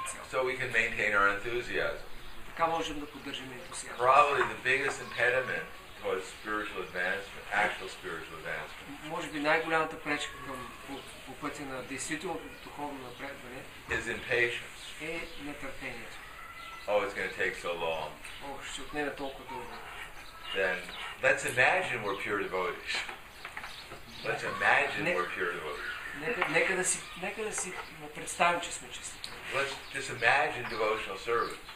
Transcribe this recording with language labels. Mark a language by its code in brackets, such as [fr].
[en] So we can maintain our enthusiasm. Probably the biggest impediment was spiritual advancement, actual spiritual advancement. [bg] Може би най-голямата пречка към по пътя на действителното духовно напредване [en] is impatience. [bg] Е нетърпението. [en] Oh, it's going to take so long. [bg] Ох, ще отнеме толкова дълго. [en] Then, let's imagine we're pure devotees. Let's imagine we're pure devotees. [bg] Нека да си представим, че сме чисти. [en] Let's just imagine devotional service.